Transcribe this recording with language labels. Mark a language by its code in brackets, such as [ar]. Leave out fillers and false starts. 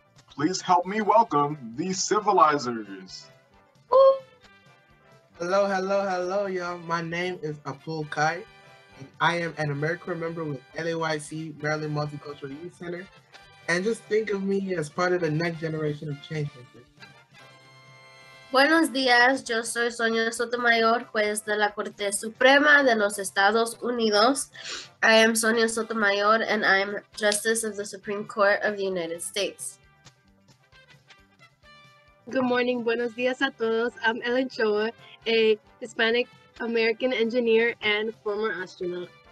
[en] Please help me welcome the Civilizers. Hello, hello, hello, y'all. My name is Apul Kai, and I am an AmeriCorps member with LAYC, Maryland Multicultural Youth Center. And just think of me as part of the next generation of changemakers. [es] Buenos días, yo soy Sonia Sotomayor, juez de la Corte Suprema de los Estados Unidos. [en] I am Sonia Sotomayor, and I am Justice of the Supreme Court of the United States. Good morning, [es] buenos días a todos. [en] I'm Ellen Choa, a Hispanic American engineer and former astronaut.